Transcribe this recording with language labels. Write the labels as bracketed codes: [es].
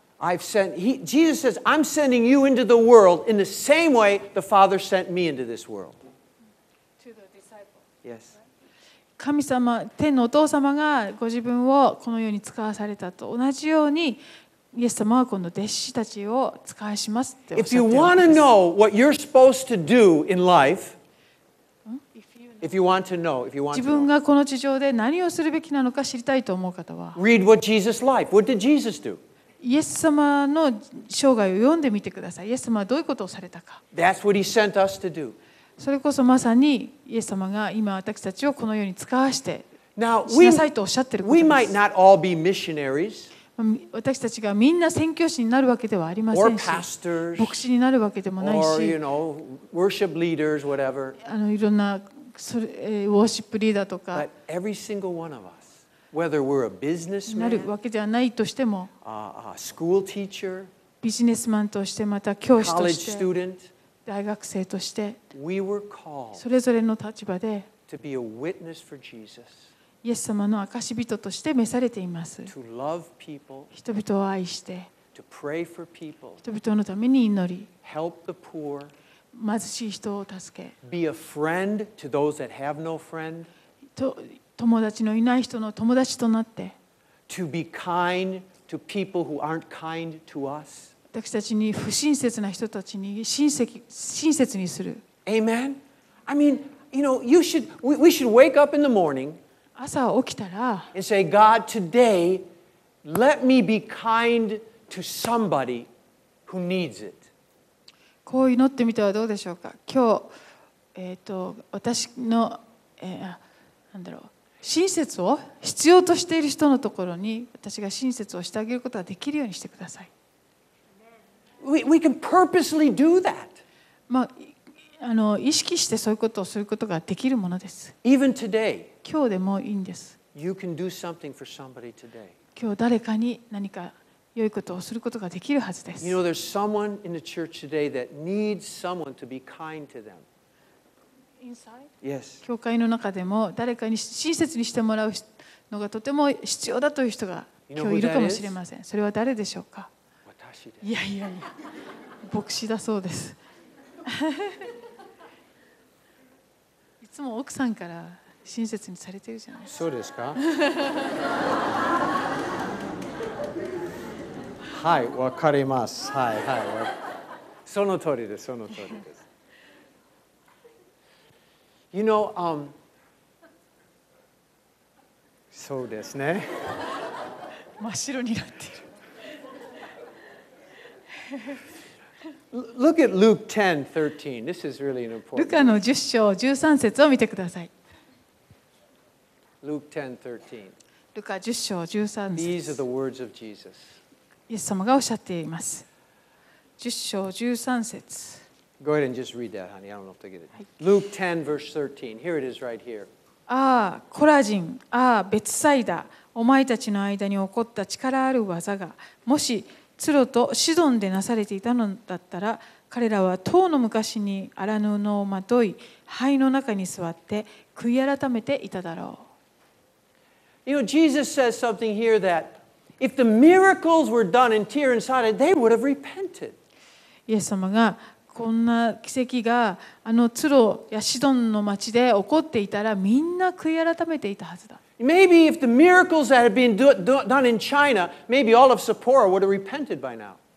[en] Jesus says, I'm sending you into the world in the same way the Father sent me into this world. To the disciples. Yes. [ja] 神様、天のお父様がご自分をこの世に使わされたと同じように、イエス様はこの弟子たちを使わしますっておっしゃっています。 [en] If you want to know what you're supposed to do in life,If you want to know, if you want [ja] 自分がこの地上で何をするべきなのか知りたいと思う方は、 [en] Read what Jesus' life. What did Jesus do? [ja] イエス様の生涯を読んでみてください。イエス様はどういうことをされたか。 [en] That's what He sent us to do. [ja] それこそまさにイエス様が今私たちをこの世に使わしてしなさいとおっしゃってることです。 [en] Now, we might not all be missionaries. [ja] 私たちがみんな宣教師になるわけではありませんし、 [en] or pastors, [ja] 牧師になるわけでもないし、 [en] or you know, worship leaders, whatever. [ja] いろんなそれウォーシップリーダーとか [en] But every single one of us, whether we're a businessman, [ja] なるわけではないとしても [en] a school teacher, [ja] ビジネスマンとしてまた教師として [en] college student, [ja] 大学生として [en] we were called [ja] それぞれの立場で [en] to be a witness for Jesus, [ja] イエス様の証人として召されています。 [en] to love people, [ja] 人々を愛して [en] to pray for people, [ja] 人々のために祈り [en] help the poor, [ja] 貧しい人を助け [en] Be a friend to those that have no friend. [ja] 友達のいない人の友達となって [en] To be kind to people who aren't kind to us. [ja] 私たちに不親切な人たちに親切にする [en] Amen. I mean, you know, you should, we should wake up in the morning [ja] 朝起きたら [en] and say, God, today Let me be kind to somebody who needs it. [ja] こう祈ってみてはどうでしょうか。今日、私の、なんだろう、親切を必要としている人のところに私が親切をしてあげることができるようにしてください。 [en] We can purposely do that. [ja] まあ、意識してそういうことをすることができるものです。 [en] Even today, [ja] 今日でもいいんです。 [en] You can do something for somebody today. [ja] 今日誰かに何か良いことをすることができるはずです。 [en] You know, there's someone in the church today that needs someone to be kind to them. Inside? Yes. [ja] 教会の中でも誰かに親切にしてもらうのがとても必要だという人が今日いるかもしれません。それは誰でしょうか。いやいやいや、牧師だそうです。いつも奥さんから親切にされてるじゃないですか。そうですか。はい、わかります。はいはい。その通りです。その通りです。 [en] You know, [ja] そうですね。真っ白になってる。 [en] Look at Luke 10:13. This is really an important. [ja] ルカの10章13節を見てください。 [en] Luke 10:13. [ja] ルカ10章13節。 [en] These are the words of Jesus. [ja] イエス様がおっしゃっています。 10章13節。 [en] Go ahead and just read that, honey. I don't know if they get it. Luke 10 verse 13. Here it is, right here. [ja] ああ、コラジン、ああ、ベツサイダ、お前たちの間に起こった力ある技が、もしツロとシドンでなされていたのだったら、彼らは当の昔に荒布をまとい灰の中に座って悔い改めていただろう。 [en] You know, Jesus says something here that if the miracles were done in Tyre and Sidon, they would have repented. [ja] イエス様がこんな奇跡がツロやシドンの町で起こっていたら、みんな悔い改めていたはずだ。 [en] Maybe if the miracles that had been done in China, maybe all of Sapporo would have repented by now.